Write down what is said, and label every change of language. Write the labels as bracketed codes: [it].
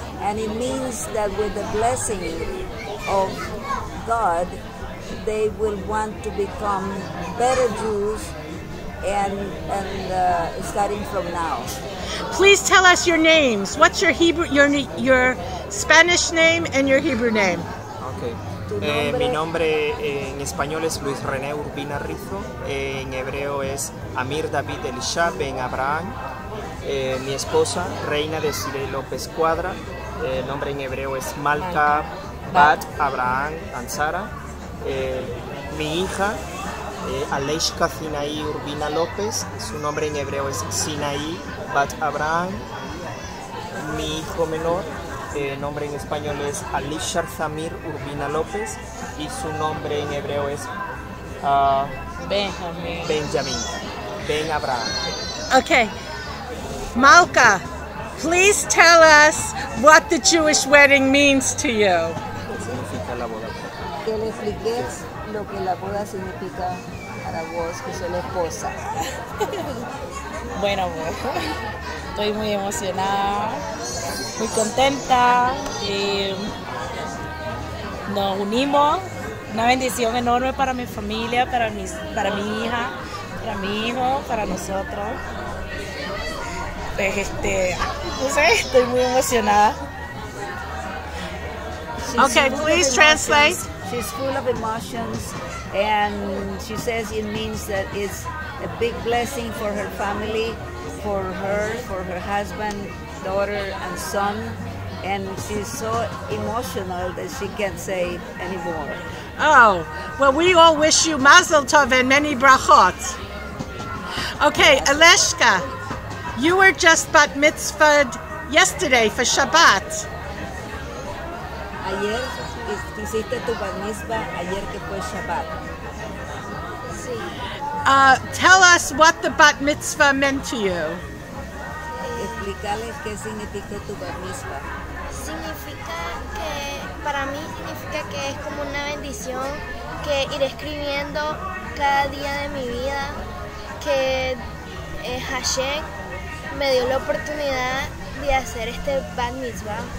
[en] And it means that with the blessing of God, they will want to become better Jews and starting from now. Please tell us your names. What's your Hebrew, your Spanish name and your Hebrew name? Okay. [es] Mi nombre en español es Luis René Urbina Rizzo. En hebreo es Amir David Elisha Ben Abraham. Mi esposa, Reina de Sile López Cuadra. El nombre en hebreo es Malka Bat Abraham Ansara. Mi hija, Aleishka Sinaí Urbina López. Su nombre en hebreo es Sinaí Bat Abraham. Mi hijo menor, nombre en español es Alishar Zamir Urbina López. Y su nombre en hebreo es Benjamin. Ben Abraham. [en] Okay. Malka, please tell us what the Jewish wedding means to you. [es] ¿Qué significa la boda? Que le expliques lo que la boda significa para vos, que soy la esposa. Bueno, amor. Estoy muy emocionada, muy contenta. Y nos unimos. Una bendición enorme para mi familia, para mi hija, para mi hijo, para nosotros. Pues no sé, estoy muy emocionada. [en] Okay, please translate. She's full of emotions, and she says it means that it's a big blessing for her family, for her, for her husband, daughter, and son. And she's so emotional that she can't say anymore. Oh, well, we all wish you mazel tov and many brachot. Okay, Aleshka, you were just bat mitzvahed yesterday for Shabbat. [es] Ayer hiciste tu bat mitzvah, ayer que fue Shabbat. [en] Tell us what the bat mitzvah meant to you. [es] Explicarles qué significa tu bat mitzvah. Significa que, para mí, significa que es como una bendición que ir escribiendo cada día de mi vida, que Hashem me dio la oportunidad de hacer este bat mitzvah.